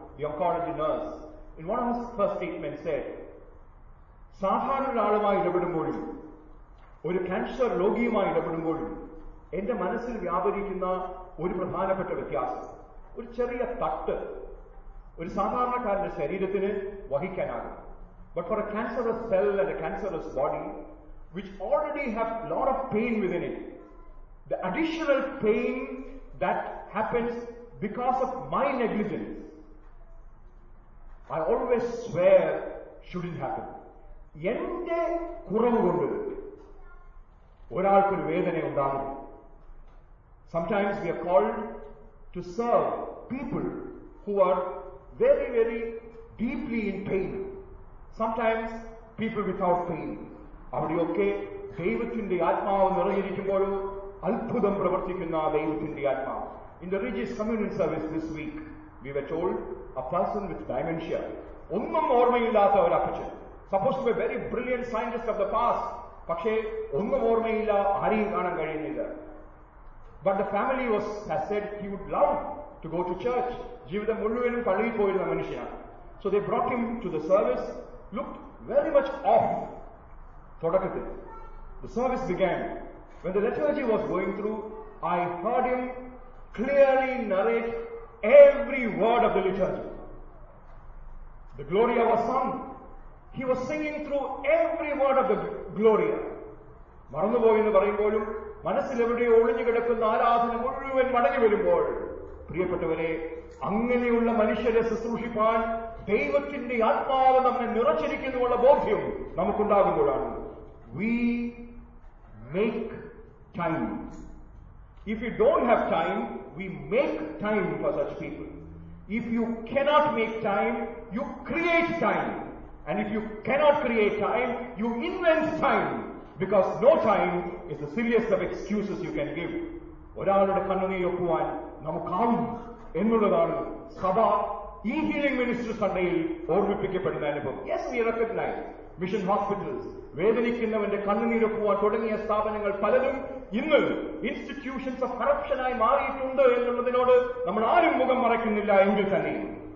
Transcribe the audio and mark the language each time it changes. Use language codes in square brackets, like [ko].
[en] the oncology nurse in one of his first statement said, [ml] സാധാരണ ഒരാളുമായി ഇടപെടുമ്പോഴും ഒരു ക്യാൻസർ രോഗിയുമായി ഇടപെടുമ്പോഴും എന്റെ മനസ്സിൽ വ്യാപരിക്കുന്ന ഒരു പ്രധാനപ്പെട്ട വ്യത്യാസം, ഒരു ചെറിയ തട്ട് ഒരു സാധാരണക്കാരന്റെ ശരീരത്തിന് വഹിക്കാനാകും. [en] But for a cancerous cell and a cancerous body, which already have a lot of pain within it, the additional pain that happens because of my negligence, I always swear shouldn't happen. [ml] എന്റെ കുറവ് കൊണ്ട് ഒരാൾക്കൊരു വേദന ഉണ്ടാകുന്നു. [en] Sometimes we are called to serve people who are very, very deeply in pain. Sometimes people without pain. [ml] അവിടെയൊക്കെ ദൈവത്തിന്റെ ആത്മാവ് നിറഞ്ഞിരിക്കുമ്പോഴും അത്ഭുതം പ്രവർത്തിക്കുന്ന ദൈവത്തിന്റെ ആത്മാവ്. [en] In the Regis Communion Service this week, we were told a person with dementia. [ml] ഒന്നും ഓർമ്മയില്ലാത്ത ഒരു അപ്പച്ചൻ. [en] Supposed to be a very brilliant scientist of the past. [ml] പക്ഷേ ഒന്നും ഓർമ്മയില്ല, ആരെയും കാണാൻ കഴിയുന്നില്ല. [en] But the family was, has said he would love to go to church. [ml] ജീവിതം മുഴുവനും പള്ളിയിൽ പോയിരുന്ന മനുഷ്യനാണ്. [en] So they brought him to the service. Looked very much off. [ml] തുടക്കത്തിൽ [en] the service began. When the liturgy was going through, I heard him clearly narrate every word of the liturgy. The Gloria was sung. He was singing through every word of the Gloria. [ml] മറന്നുപോയി എന്ന് പറയുമ്പോഴും മനസ്സിലെവിടെയോ ഒളിഞ്ഞു കിടക്കുന്ന ആരാധന മുഴുവൻ മടങ്ങി വരുമ്പോൾ, പ്രിയപ്പെട്ടവരെ, അങ്ങനെയുള്ള മനുഷ്യരെ ശുശ്രൂഷിപ്പാൻ ദൈവത്തിന്റെ ആത്മാവ് നമ്മെ നിറച്ചിരിക്കുന്നുള്ള ബോധ്യം നമുക്കുണ്ടാകുമ്പോഴാണ്. [en] We make time. If you don't have time, we make time for such people. If you cannot make time, you create time. And if you cannot create time, you invent time. Because no time is the silliest of excuses you can give. [ml] ഒരാളുടെ കണ്ണുനീർ ഒക്കുവാൻ നമുക്കാവും എന്നുള്ളതാണ് സദാ ഈ healing minister സൺഡേയിൽ ഓർമ്മിപ്പിക്കപ്പെടുന്ന അനുഭവം. [en] Yes, we recognize [ml] mission hospitals, വേദനിക്കുന്നവന്റെ കണ്ണുനീരൊപ്പുവാൻ തുടങ്ങിയ സ്ഥാപനങ്ങൾ പലരും ഇന്ന് [en] institutions of corruption [ml] ആയി മാറിയിട്ടുണ്ട് എന്നുള്ളതിനോട് നമ്മൾ ആരും മുഖം മറയ്ക്കുന്നില്ല എങ്കിൽ തന്നെയും.